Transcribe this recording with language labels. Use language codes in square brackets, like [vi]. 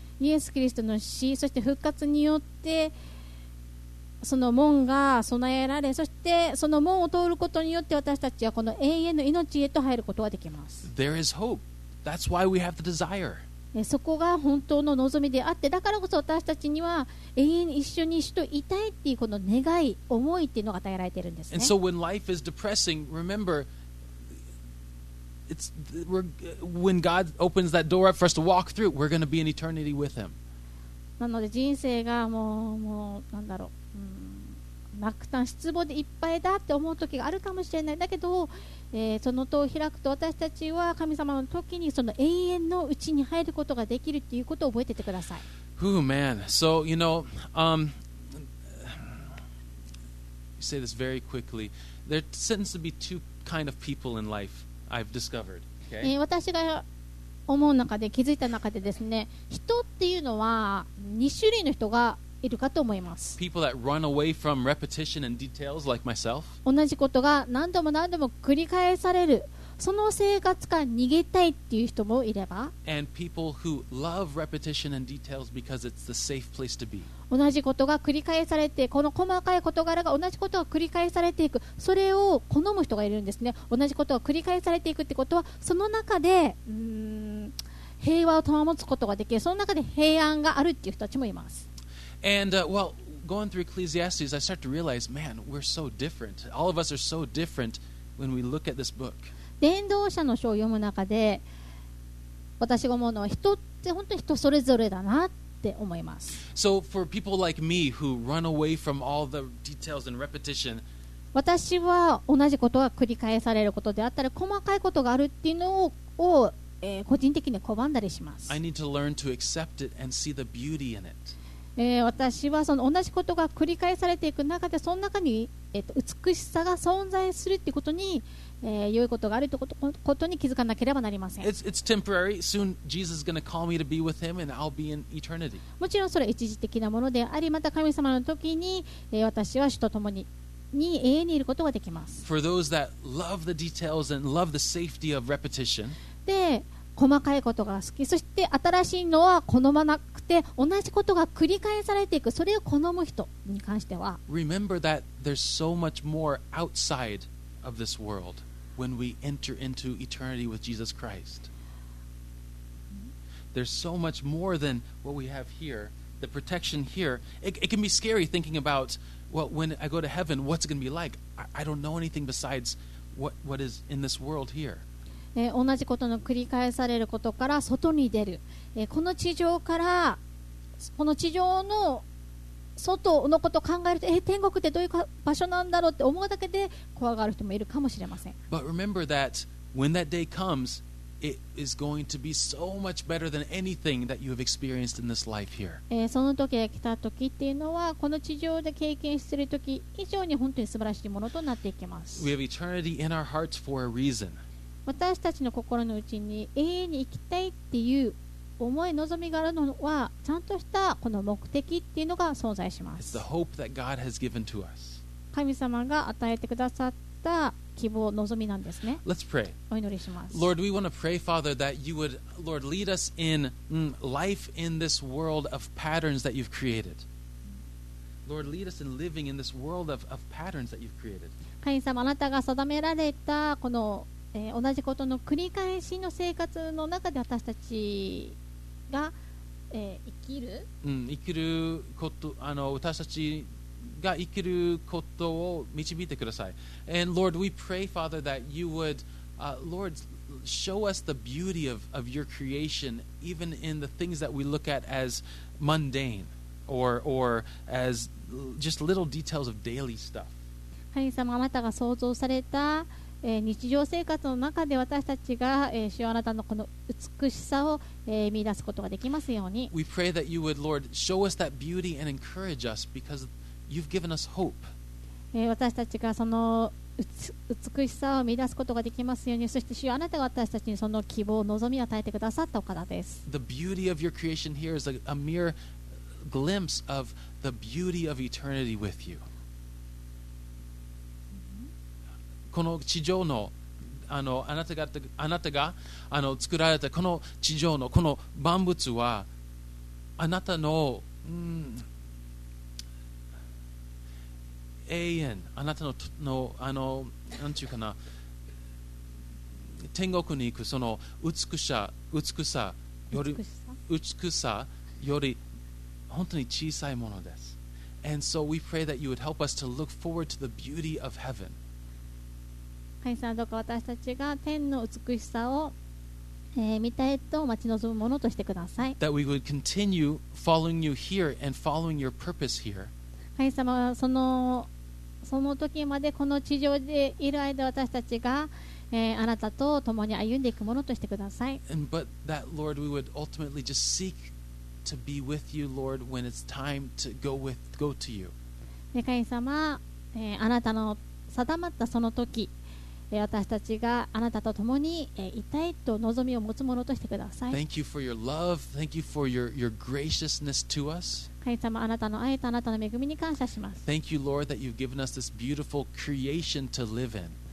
[ja] イエス・キリストの死そして復活によってその門が備えられそしてその門を通ることによって私たちはこの永遠の命へと入ることができます [en] There is hope. That's why we have the desire. [ja] そこが本当の望みであってだからこそ私たちには永遠一緒に死といたいっていうこの願い思いっていうのが与えられているんですね [en] And so when life is depressing, remember it's, when God opens that door up for us to walk through, we're going to be in eternity with him. [ja] なので人生がもうなんだろう落胆失望でいっぱいだって思う時があるかもしれないだけど、その戸を開くと私たちは神様の時にその永遠のうちに入ることができるっていうことを覚えててください [en] Oh man, so you know you say this very quickly There tends to be two kind of people in life I've discovered、okay? [ja] 私が思う中で気づいた中でですね人っていうのは2種類の人がいるかと思います。 [en] People that run away from repetition and details like myself. [ja] 同じことが何度も何度も繰り返される。その生活から逃げたいっていう人もいれば。 [en] And people who love repetition and details because it's the safe place to be. [ja] 同じことが繰り返されて、この細かい事柄が同じことが繰り返されていく。それを好む人がいるんですね。同じことが繰り返されていくってことは、その中で、平和を保つことができる。その中で平安があるっていう人たちもいます。 [en] And well, going through Ecclesiastes, I start to realize, man, we're so different. All of us are so different when we look at this book. [ja] 伝道者の書を読む中で、私が思うのは人って本当に人それぞれだなって思います。 [en] So for people like me who run away from all the details and repetition, [ja] 私は同じことが繰り返されることであったり、細かいことがあるっていうのを、個人的に拒んだりします。 [en] I need to learn to accept it and see the beauty in it. [ja] 私はその同じことが繰り返されていく中でその中に、美しさが存在するってことに、良いことがあるってことに気づかなければなりません [en] it's temporary. Soon Jesus is going to call me to be with him and I'll be in eternity. [ja] もちろんそれは一時的なものでありまた神様の時に、私は主と共に永遠にいることができます [en] For those that love the details and love the safety of repetition [ja] で細かいことが好きそして新しいのは好まなくて同じことが繰り返されていくそれを好む人に関しては [en] Remember that there's so much more outside of this world when we enter into eternity with Jesus Christ There's so much more than what we have here the protection here it can be scary thinking about well, when I go to heaven what's it going to be like I don't know anything besides what is in this world here [ja] 同じことの繰り返されることから外に出る、この地上からこの地上の外のことを考えると、天国ってどういう場所なんだろうって思うだけで怖がる人もいるかもしれません [en] But remember that when that day comes it is going to be so much better than anything that you have experienced in this life here [ja] その時が来た時っていうのはこの地上で経験する時以上に本当に素晴らしいものとなっていきます [en] We have eternity in our hearts for a reason [ja] 私たちの心のうちに永遠に生きたいっていう思い望みがあるのはちゃんとしたこの目的っていうのが存在します。神様が与えてくださった希望望みなんですね。 [en] Let's pray. [ja] お祈りします。 [en] Lord, we want to pray, Father, that you would, Lord, lead us in life in this world of patterns that you've created. Lord, lead us in living in this world of patterns that you've created. [ja] 神様、あなたが定められたこの同じことの繰り返しの生活の中で私たちが、生きる、生きること私たちが生きることを導いてください。 [en] And Lord, we pray, Father, that you would, Lord, show us the beauty of your creation, even in the things that we look at as mundane or as just little details of daily stuff. [ja] 神様、あなたが創造された日常生活の中で私たちが主あなたのこの美しさを見出すことができますように [en] We pray that you would, Lord, show us that beauty and encourage us because you've given us hope [ja] 私たちがその美しさを見出すことができますようにそして主あなたが私たちにその希望、望みを与えてくださったお方です [en] The beauty of your creation here is a mere glimpse of the beauty of eternity with you [ja] この地上 の, あなたが作られたこの地上のこの万物はあなたの、うん、永遠、あなたの、の、あの、なんていうかな、天国に行くその美しさ、美しさより、美しさより本当に小さいものです。 [en] And so we pray that you would help us to look forward to the beauty of heaven. [ja] 神様、どうか私たちが天の美しさを、見たいと待ち望むものとしてください。 [en] That we would continue following you here and following your purpose here. [ja] 神様、その時までこの地上でいる間、私たちが、あなたと共に歩んでいくものとしてください。 [en] And, but that, Lord, we would ultimately just seek to be with you, Lord, when it's time to go to you. [ja] 神様、あなたの定まったその時、私たちがあなたと共に、いたいと望みを持つものとしてください。 [en] Thank you for your love. Thank you for your graciousness to us. [ja] 神様、あなたの愛とあなたの恵みに感謝します。 [en] Thank you, Lord, that you've given us this beautiful creation to live in.